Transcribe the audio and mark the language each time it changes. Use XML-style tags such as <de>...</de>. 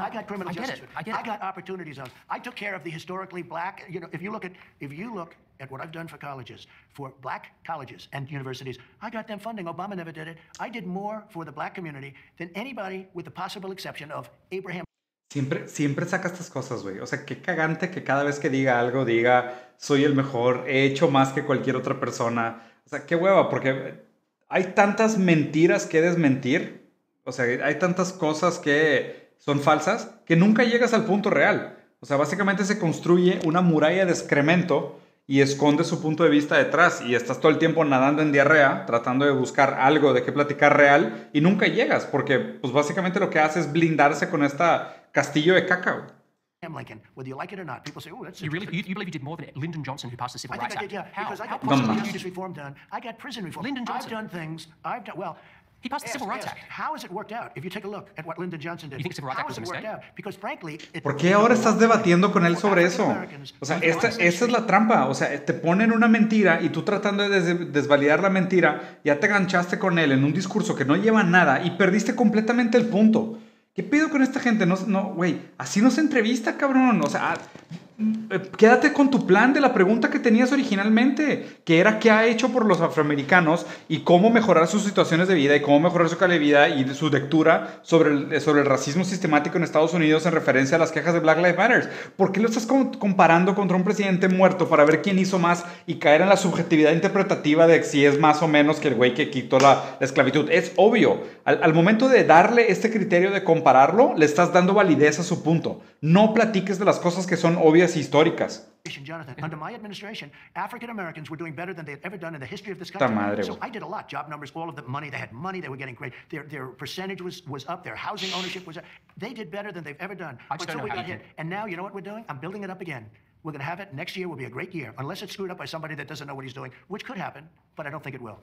<en>I got criminal justice. I get it. I got opportunity zones. I took care of the historically black. You know, if you look at what I've done for colleges, for black colleges and universities, I got them funding. Obama never did it. I did more for the black community than anybody, with the possible exception of Abraham.</en> <es>Siempre saca estas cosas, güey. O sea, qué cagante que cada vez que diga algo, diga, soy el mejor, he hecho más que cualquier otra persona. O sea, qué hueva, porque hay tantas mentiras que desmentir. O sea, hay tantas cosas que son falsas que nunca llegas al punto real. O sea, básicamente se construye una muralla de excremento y esconde su punto de vista detrás. Y estás todo el tiempo nadando en diarrea, tratando de buscar algo de qué platicar real, y nunca llegas, porque pues básicamente lo que hace es blindarse con esta... Castillo de cacao.</es> <en>Lincoln, whether you like it or not, people say, oh, that's... You really, you believe you did more than Lyndon Johnson, who passed the Civil Rights Act? I think I did, yeah. How? Because I got prison justice reform done. I got prison reform. Lyndon Johnson. I've done things. He passed the Civil Rights Act. How has it worked out? If you take a look at what Lyndon Johnson did, you think Civil Rights how has it worked mistake? Out? Because frankly, it</en> <es>¿Por qué ahora estás debatiendo con él sobre eso? O sea, esta es la trampa. O sea, te ponen una mentira y tú tratando de desvalidar la mentira, ya te ganchaste con él en un discurso que no lleva nada y perdiste completamente el punto. ¿Qué pedo con esta gente? No, güey, así no se entrevista, cabrón. O sea, Quédate con tu plan de la pregunta que tenías originalmente, que era qué ha hecho por los afroamericanos y cómo mejorar sus situaciones de vida y cómo mejorar su calidad de vida y su lectura sobre el racismo sistemático en Estados Unidos en referencia a las quejas de Black Lives Matter. ¿Por qué lo estás comparando contra un presidente muerto para ver quién hizo más y caer en la subjetividad interpretativa de si es más o menos que el güey que quitó la esclavitud? Es obvio. Al momento de darle este criterio de compararlo, le estás dando validez a su punto. No platiques de las cosas que son obvias históricas.</es> <en>Jonathan, under my administration, African Americans were doing better than they had ever done in the history of this country.</en> <es>Ta madre,</es> <en>so I did a lot. Job numbers, all of the money they had, money they were getting great. Their percentage was up. Their housing ownership was up. They did better than they've ever done. But so we got hit. And now you know what we're doing? I'm building it up again. We're going to have it. Next year will be a great year, unless it's screwed up by somebody that doesn't know what he's doing, which could happen, but I don't think it will.</en>